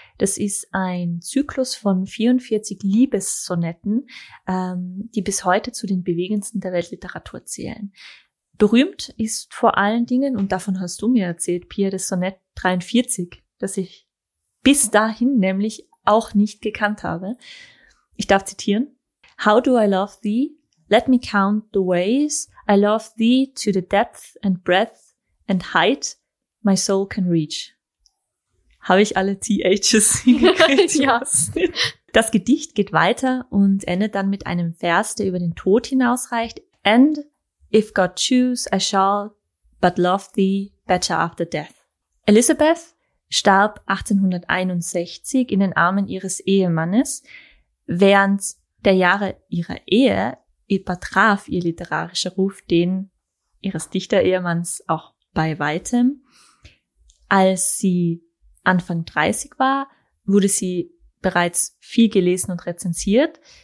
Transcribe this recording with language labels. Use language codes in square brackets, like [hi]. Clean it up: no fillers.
[de] Das ist ein Zyklus von 44 Liebessonetten, die bis heute zu den bewegendsten der Weltliteratur zählen. Berühmt ist vor allen Dingen, und davon hast du mir erzählt, Pia, das Sonett 43, das ich bis dahin nämlich auch nicht gekannt habe. Ich darf zitieren. [en] How do I love thee? Let me count the ways. I love thee to the depth and breadth and height my soul can reach. [de] Habe ich alle THs hingekriegt? Ja. Das Gedicht geht weiter und endet dann mit einem Vers, der über den Tod hinausreicht. [en] And if God choose, I shall but love thee better after death. [de] Elizabeth starb 1861 in den Armen ihres Ehemannes. Während der Jahre ihrer Ehe übertraf ihr literarischer Ruf den ihres Dichter-Ehemanns auch bei weitem. Als sie Anfang 30 war, wurde sie bereits viel gelesen und rezensiert.